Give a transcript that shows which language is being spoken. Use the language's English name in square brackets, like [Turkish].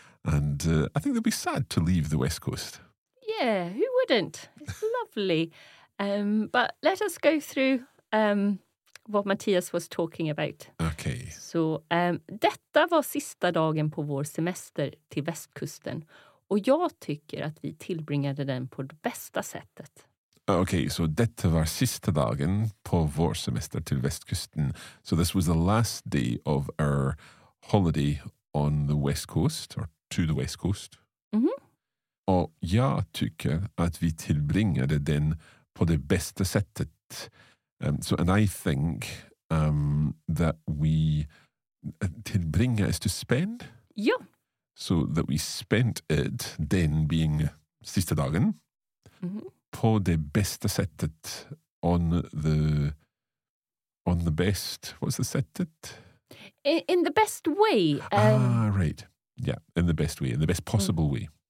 [English] And I think they'll be sad to leave the west coast. Yeah, who wouldn't? It's lovely. But let us go through what Matthias was talking about. Okay. [Swedish] So, detta var sista dagen på vår semester till västkusten. Och jag tycker att vi tillbringade den på det bästa sättet. [English] Okay, so [Swedish] detta var sista dagen på vår semester till västkusten. [English] So this was the last day of our holiday on the west coast, or to the west coast. Mm-hmm. [Swedish] Och jag tycker att vi tillbringade den på det bästa sättet. [English] I think that we tillbringa is to spend. Yeah. So that we spent it, then being [Swedish] sista dagen, mm-hmm. på det bästa sättet, [English] on the best. What's the sättet? In the best way. Right. Yeah, in the best way, in the best possible way.